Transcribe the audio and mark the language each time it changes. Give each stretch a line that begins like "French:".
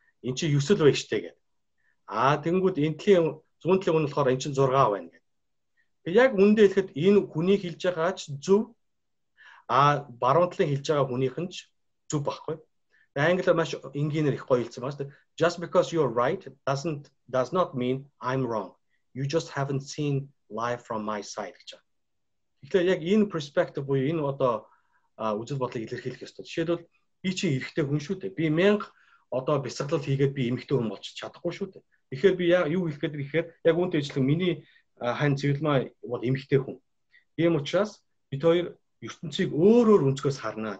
Mongolian: Энд чинь 9 л байна штэ гэдэг. А тэгэнгүүт энтлийн зүүн талын үнэ болохоор эн чинь 6 байна гэдэг. Тэгээ яг үндэ хэлэхэд энэ хүний хэлж байгаач зөв. А баруун талын хэлж байгаа хүнийх нь ч зөв байхгүй. Англиар маш энгийнээр их гоёлцсон байна шүү дээ.
English: Just because you're right does not mean I'm wrong. You just haven't seen life from my side гэж.
Mongolian: Тэгэхээр яг энэ perspective буюу энэ одоо үзэл бодлыг илэрхийлэх ёстой. Жишээлбэл би чинь эрэгтэй хүн шүү дээ. Би 1000 одоо бясалгал хийгээд би эмэгтэй хүн болчих чадахгүй шүү дээ. Тэгэхээр би яа юу хэлэх гэдэг вэ гэхээр яг үүнтэй ижилхэн миний хань цэвэлмэй бол эмэгтэй хүн. Тийм учраас бид хоёр ертөнцийг өөр өөр өнцгөөс харнаа.